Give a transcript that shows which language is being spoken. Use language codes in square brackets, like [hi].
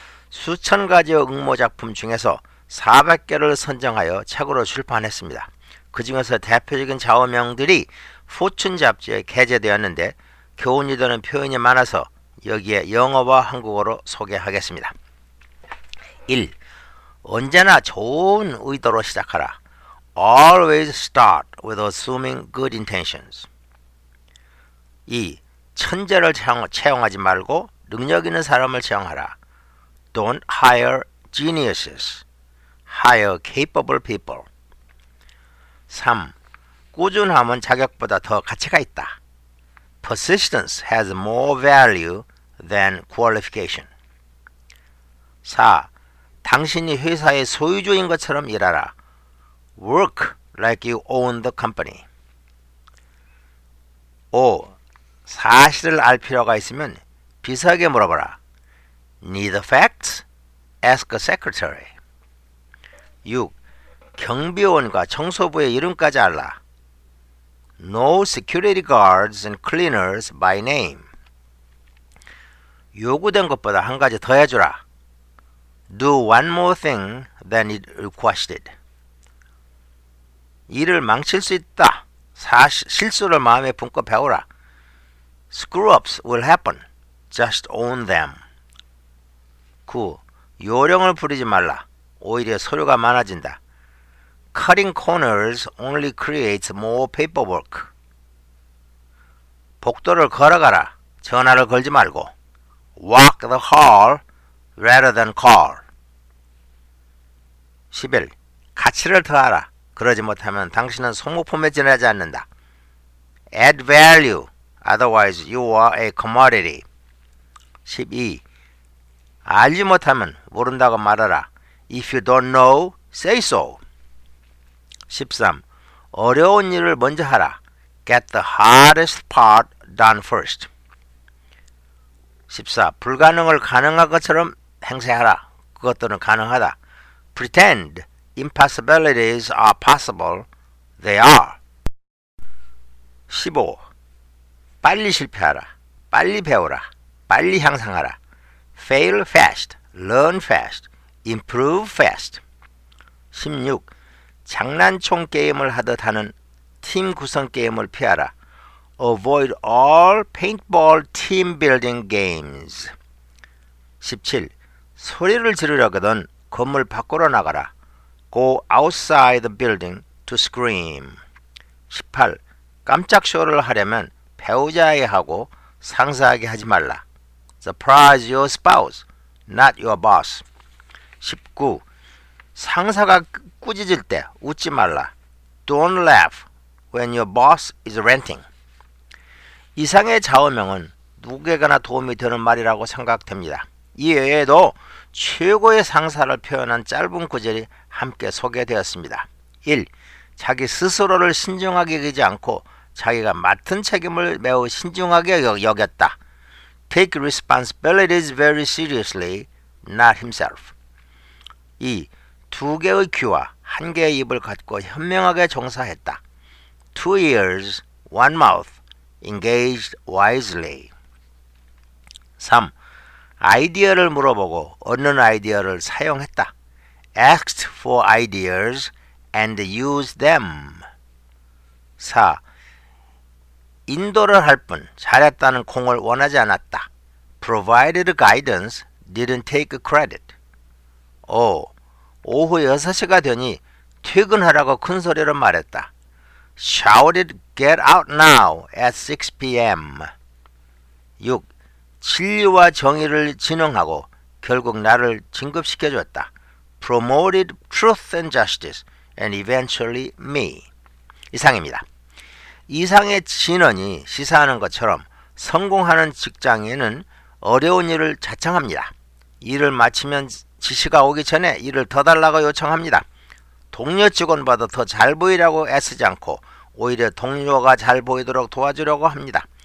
[ko] 수천 가지의 응모 작품 중에서 400개를 선정하여 책으로 출판했습니다. 그 중에서 대표적인 좌우명들이 포춘 잡지에 게재되었는데 교훈이 되는 표현이 많아서 여기에 영어와 한국어로 소개하겠습니다. 1. 언제나 좋은 의도로 시작하라. [en] Always start with assuming good intentions. 2. [ko] 천재를 채용하지 말고 능력 있는 사람을 채용하라. [en] Don't hire geniuses. Hire capable people. 3. [ko] 꾸준함은 자격보다 더 가치가 있다. [en] Persistence has more value than qualification. 4. [ko] 당신이 회사의 소유주인 것처럼 일하라. [en] Work like you own the company. 5. [ko] 사실을 알 필요가 있으면 비서에게 물어보라. [en] Need the facts? Ask a secretary. 6. [ko] 경비원과 청소부의 이름까지 알라. [en] Know security guards and cleaners by name. [ko] 요구된 것보다 한 가지 더 해주라. [en] Do one more thing than it requested. [ko] 일을 망칠 수 있다. 실수를 마음에 품고 배우라. [en] Screw-ups will happen. Just own them. 9. [ko] 요령을 부리지 말라. 오히려 서류가 많아진다. [en] Cutting corners only creates more paperwork. [ko] 복도를 걸어가라. 전화를 걸지 말고. [en] Walk the hall rather than call. [ko] 11. 가치를 더하라. 그러지 못하면 당신은 소모품에 지나지 않는다. [en] Add value. Otherwise, you are a commodity. 12. [ko] 알지 못하면 모른다고 말하라. [en] If you don't know, say so. 13. [ko] 어려운 일을 먼저 하라. [en] Get the hardest part done first. 14. [ko] 불가능을 가능한 것처럼 행세하라. 그것들은 가능하다. [en] Pretend impossibilities are possible. They are. [ko] 15. 빨리 실패하라. 빨리 배우라. 빨리 향상하라. [en] Fail fast, learn fast, improve fast. 16. [ko] 장난총 게임을 하듯 하는 팀 구성 게임을 피하라. [en] Avoid all paintball team building games. 17. [ko] 소리를 지르려거든 건물 밖으로 나가라. [en] Go outside the building to scream. 18. [ko] 깜짝 쇼를 하려면 배우자에게 하고 상사에게 하지 말라. [en] Surprise your spouse, not your boss. 19. [ko] 상사가 꾸짖을 때 웃지 말라. [en] Don't laugh when your boss is ranting. [ko] 이상의 좌우명은 누구에게나 도움이 되는 말이라고 생각됩니다. 이외에도 최고의 상사를 표현한 짧은 구절이 함께 소개되었습니다. 1. 자기 스스로를 신중하게 여기지 않고 자기가 맡은 책임을 매우 신중하게 여겼다. [en] Take responsibilities very seriously, not himself. 2. [ko] 두 개의 귀와 한 개의 입을 갖고 현명하게 종사했다. [en] Two ears, one mouth, engaged wisely. 3. [ko] 아이디어를 물어보고 얻는 아이디어를 사용했다. [en] Asked for ideas and used them. 4. [ko] 인도를 할 뿐 잘했다는 공을 원하지 않았다. [en] Provided guidance, didn't take credit. 5. [ko] 오후 6시가 되니 퇴근하라고 큰 소리로 말했다. [en] Shouted, get out now at 6 p.m. 6. [ko] 진리와 정의를 진흥하고 결국 나를 진급시켜줬다. [en] Promoted truth and justice and eventually me. [ko] 이상입니다. 이상의 진언이 시사하는 것처럼 성공하는 직장인은 어려운 일을 자청합니다. 일을 마치면 지시가 오기 전에 일을 더 달라고 요청합니다. 동료 직원보다 더 잘 보이려고 애쓰지 않고 오히려 동료가 잘 보이도록 도와주려고 합니다.